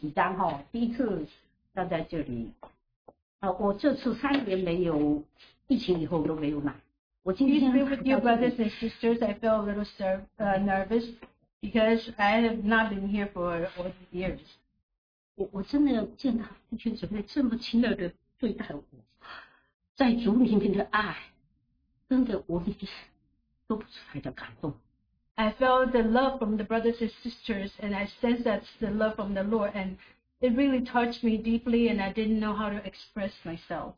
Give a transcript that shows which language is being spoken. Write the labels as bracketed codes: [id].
[zh] Dear弟兄姊妹，在主里面平安。我有点紧张哦，第一次站在这里。我这次三年没有，疫情以后都没有来。我今天 [en] with you, brothers and sisters, I feel a little nervous because I have not been here for all these years. [zh] 我真的见到弟兄姊妹这么亲热的对待我，在主里面的爱，真的我都不出来的感动。 [en] I felt the love from the brothers and sisters, and I sense that's the love from the Lord, and it really touched me deeply, and I didn't know how to express myself.